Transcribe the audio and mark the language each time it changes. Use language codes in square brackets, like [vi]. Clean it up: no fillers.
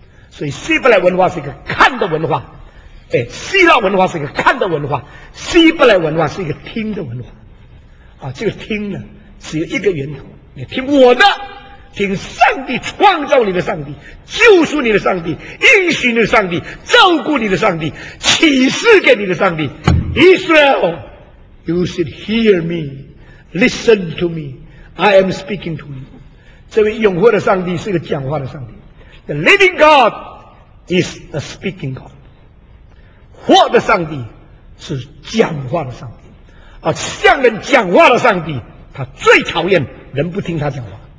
[zh] 所以希伯来文化是一个看的文化，希腊文化是一个看的文化，希伯来文化是一个听的文化。啊，这个听呢只有一个源头，你听我的，听上帝创造你的上帝，救赎你的上帝，应许你的上帝，照顾你的上帝，启示给你的上帝。 [en] Israel you should hear me, listen to me, I am speaking to you。 [zh] 这位永活的上帝是一个讲话的上帝， [en] The living God is a speaking God。 [zh] 活的上帝是讲话的上帝，而向人讲话的上帝他最讨厌人不听他讲话。